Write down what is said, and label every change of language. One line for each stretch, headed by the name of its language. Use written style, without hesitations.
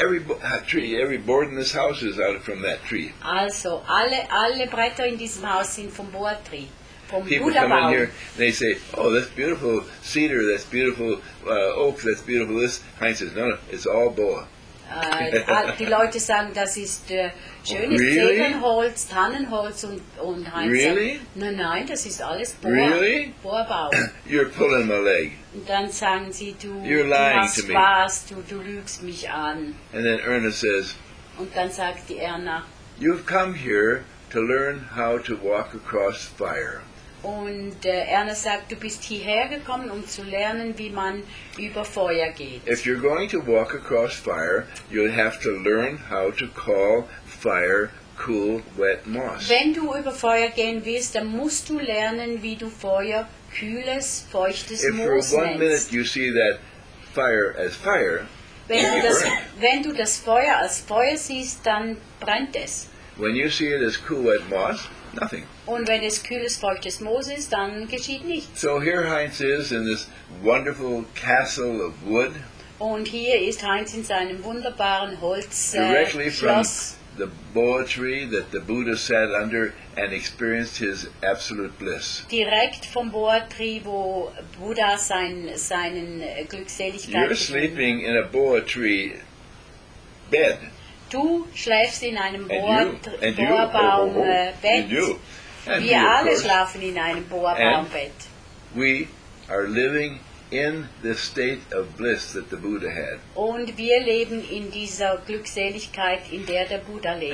English: Every board in this house is out from that tree.
German: Also, alle Bretter in diesem Haus sind vom Boa Tree, vom
English: People
German: Buddha-Baum.
English: People come in here, they say, oh, that's beautiful cedar, that's beautiful oak, that's beautiful this. Heinz says, no, it's all boa.
German: Die Leute sagen, das ist schönes Zedernholz, Tannenholz und Heinz.
English: Really?
German: Nein, das ist alles
English: Bohrbau. You're pulling my leg.
German: Und dann sagen sie, du hast Spaß, du lügst mich an.
English: And then Ernest says,
German: und dann sagt die Erna,
English: you've come here to learn how to walk across fire.
German: Und Erna sagt, du bist hierher gekommen, um zu lernen, wie man über Feuer geht.
English: If you're going to walk across fire, you'll have to learn how to call fire cool, wet moss.
German: Wenn du über Feuer gehen willst, dann musst du lernen, wie du Feuer kühles, feuchtes
English: if
German: Moos nennst.
English: If for one minute you see that fire as fire,
German: wenn du das Feuer als Feuer siehst, dann brennt es.
English: When you see it as cool, wet moss, nothing.
German: Und wenn es kühles, feuchtes Moos ist, dann geschieht nichts.
English: So here Heinz is in this wonderful castle of wood.
German: Und hier ist Heinz in seinem wunderbaren Holzschloss.
English: Directly from the boa tree that the Buddha sat under and experienced his absolute bliss.
German: Direkt vom Boa Tree, wo Buddha seinen Glückseligkeit.
English: You're sleeping in a boa tree bed.
German: Du schläfst in einem Boa-Baum-Bett. Wir alle schlafen in einem Boa-Baum-Bett.
English: We are living in the state of bliss that the Buddha had.
German: Und wir leben in dieser Glückseligkeit, in der Buddha lebt.